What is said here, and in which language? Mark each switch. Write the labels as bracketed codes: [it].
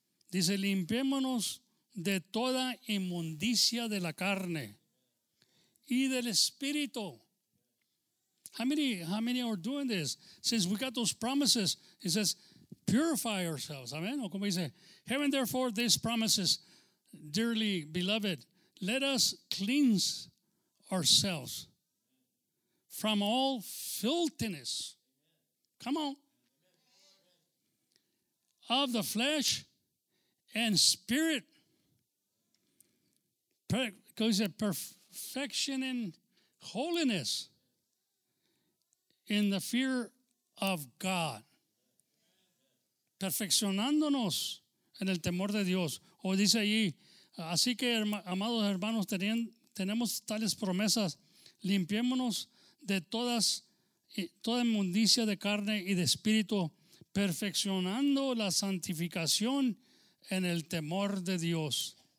[es] Dice, limpiémonos de toda inmundicia de la carne y del espíritu. [en] How many are doing this? Since we got those promises, he says, purify yourselves. Amen. [es] O como dice, [en] having therefore these promises, dearly beloved, let us cleanse ourselves from all filthiness. Come on. Of the flesh and spirit. Because of perfection and holiness in the fear of God. [es] Perfeccionándonos en el temor de Dios. O dice allí, así que, amados hermanos, tenemos tales promesas. Limpiémonos de toda inmundicia de carne y de espíritu, perfeccionando la santificación en el temor de Dios.